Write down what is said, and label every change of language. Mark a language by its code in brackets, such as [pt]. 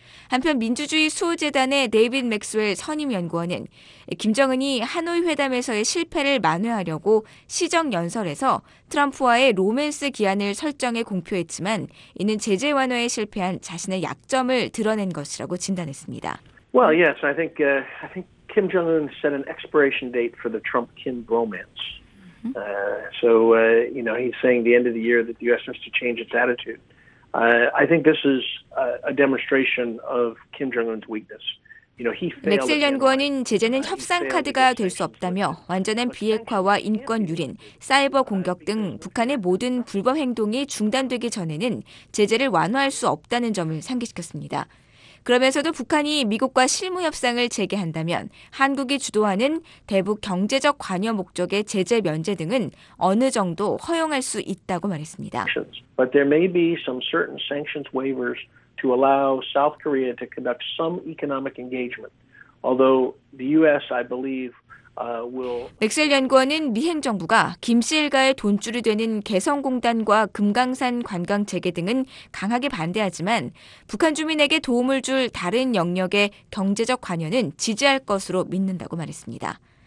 [ko] 한편 민주주의 수호재단의 데이빗 맥스웰 선임연구원은 김정은이 하노이 회담에서의 실패를 만회하려고 시정연설에서 트럼프와의 로맨스 기한을 설정해 공표했지만 이는 제재 완화에 실패한 자신의 약점을 드러낸 것이라고 진단했습니다. [en] Well, yes, I think Kim Jong-un set an expiration date for the Trump-Kim bromance. So, he's saying the end of the year that the U.S. needs to change its attitude. I think this is a demonstration of Kim Jong-un's weakness. You know, he failed. [ko] 맥스웰 연구원은 제재는 협상 카드가 될 수 없다며 완전한 비핵화와 인권 유린, 사이버 공격 등 북한의 모든 불법 행동이 중단되기 전에는 제재를 완화할 수 없다는 점을 상기시켰습니다. 그러면서도 북한이 미국과 실무 협상을 재개한다면 한국이 주도하는 대북 경제적 관여 목적의 제재 면제 등은 어느 정도 허용할 수 있다고 말했습니다. [en] But there may be some certain sanctions waivers to allow South Korea to conduct some economic engagement. Although the US, I believe, [ko] 맥스웰 연구원은 미 행정부가 김 씨 일가의 돈줄이 되는 개성공단과 금강산 관광 재개 등은 강하게 반대하지만 북한 주민에게 도움을 줄 다른 영역의 경제적 관여는 지지할 것으로 믿는다고 말했습니다.